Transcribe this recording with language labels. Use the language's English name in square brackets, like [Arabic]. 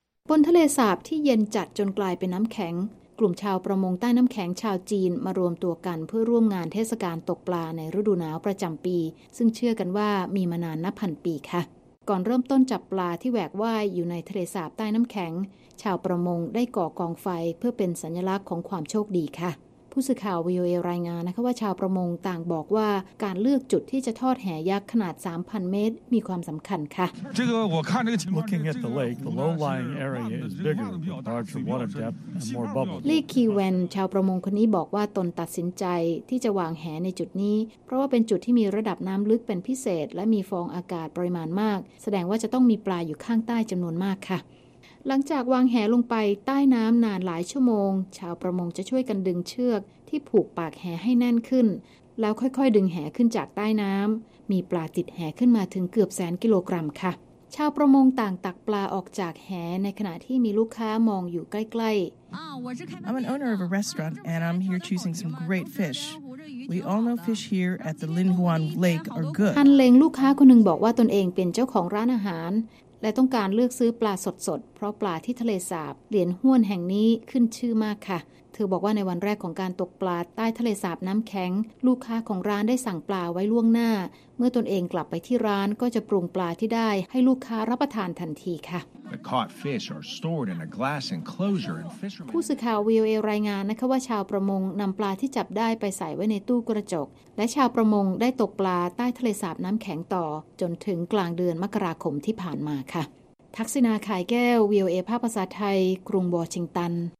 [Thai] บนทะเลสาบที่เย็นจัดจนกลายเป็นน้ำแข็งกลุ่มชาวประมงใต้น้ำแข็งชาวจีนมารวมตัวกันเพื่อร่วมงานเทศกาลตกปลาในฤดูหนาวประจำปีซึ่งเชื่อกันว่ามีมานานนับพันปีค่ะก่อนเริ่มต้นจับปลาที่แหวกว่ายอยู่ในทะเลสาบใต้น้ำแข็งชาวประมงได้ก่อกองไฟเพื่อเป็นสัญลักษณ์ของความโชคดีค่ะผู้สื่อข่าว VOA รายงานนะคะว่าชาวประมงต่างบอกว่าการเลือกจุดที่จะทอดแหยักษ์ขนาด 3,000 เมตรมีความสำคัญค่ะ [English] Looking at the lake, the low-lying area is bigger, with larger water depth and more bubbles. [Thai] ลีคีเวนชาวประมงคนนี้บอกว่าตนตัดสินใจที่จะวางแหในจุดนี้เพราะว่าเป็นจุดที่มีระดับน้ำลึกเป็นพิเศษและมีฟองอากาศปริมาณมากแสดงว่าจะต้องมีปลาอยู่ข้างใต้จำนวนมากค่ะหลังจากวางแหลงไปใต้น้ำนานหลายชั่วโมงชาวประมงจะช่วยกันดึงเชือกที่ผูกปากแหให้แน่นขึ้นแล้วค่อยๆดึงแหขึ้นจากใต้น้ำมีปลาติดแหขึ้นมาถึงเกือบแสนกิโลกรัมค่ะชาวประมงต่างตักปลาออกจากแหในขณะที่มีลูกค้ามองอยู่ใกล้ๆ [English] I'm an owner of a restaurant and I'm here choosing some great fish. We all know fish here at the Lin Huan Lake are good. [Thai] ฮันเลงลูกค้าคนนึงบอกว่าตนเองเป็นเจ้าของร้านอาหารและต้องการเลือกซื้อปลาสดๆเพราะปลาที่ทะเลสาบเหลียนห้วนแห่งนี้ขึ้นชื่อมากค่ะเธอบอกว่าในวันแรกของการตกปลาใต้ทะเลสาบน้ำแข็งลูกค้าของร้านได้สั่งปลาไว้ล่วงหน้าเมื่อตนเองกลับไปที่ร้านก็จะปรุงปลาที่ได้ให้ลูกค้ารับประทานทันทีค่ะ [English] The caught fish are stored in a glass enclosure and fishermen [Thai] ผู้สื่อข่าว VOA รายงานนะคะว่าชาวประมงนำปลาที่จับได้ไปใส่ไว้ในตู้กระจกและชาวประมงได้ตกปลาใต้ทะเลสาบน้ำแข็งต่อจนถึงกลางเดือนมกราคมที่ผ่านมาค่ะทักษิณาขายแก้ว VOA ภาพภาษาไทยกรุงวอชิงตัน